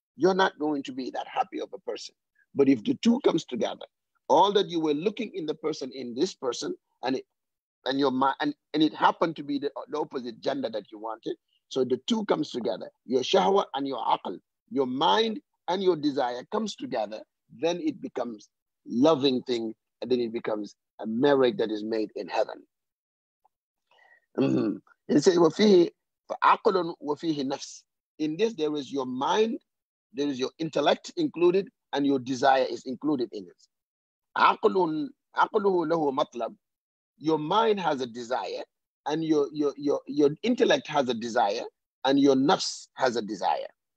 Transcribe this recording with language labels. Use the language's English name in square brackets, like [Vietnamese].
[English] You're not going to be that happy of a person. But if the two comes together, all that you were looking in the person, in this person, and it happened to be the opposite gender that you wanted. So the two comes together, your shahwa and your aql, your mind and your desire comes together, then it becomes loving thing, and then it becomes a marriage that is made in heaven. [Arabic] He says, وَفِيهِ فَعَقْلٌ وَفِيهِ نَفْسٌ. [English] In this, there is your mind, there is your intellect included, and your desire is included in it. [Arabic] عَقْلُهُ لَهُ مَطْلَبٌ. [English] Your mind has a desire, and your intellect has a desire, and your nafs has a desire.